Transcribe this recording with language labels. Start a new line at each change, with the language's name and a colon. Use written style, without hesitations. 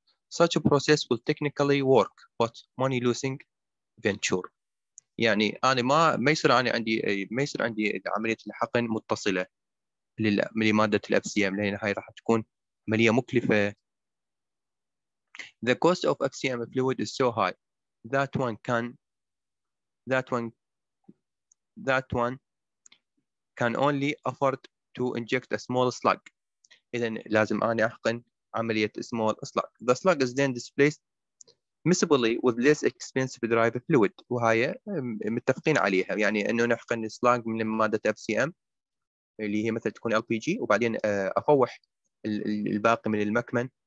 English: Such a process will technically work but money losing venture.
Arabic: يعني انا ما يصير انا عندي، ما يصير عندي عمليه الحقن متصله لماده الاف سي ام، لان هاي راح تكون عمليه مكلفه.
English: The cost of FCM fluid is so high that one can only afford to inject a small slug.
Arabic: اذا لازم انا احقن عمليه small slug.
English: The slug is then displaced miscibly with less expensive driver fluid،
Arabic: وهي متفقين عليها، يعني انه نحقن سلاج من ماده اف سي ام اللي هي مثلا تكون ال بي جي، وبعدين افوح الباقي من المكمن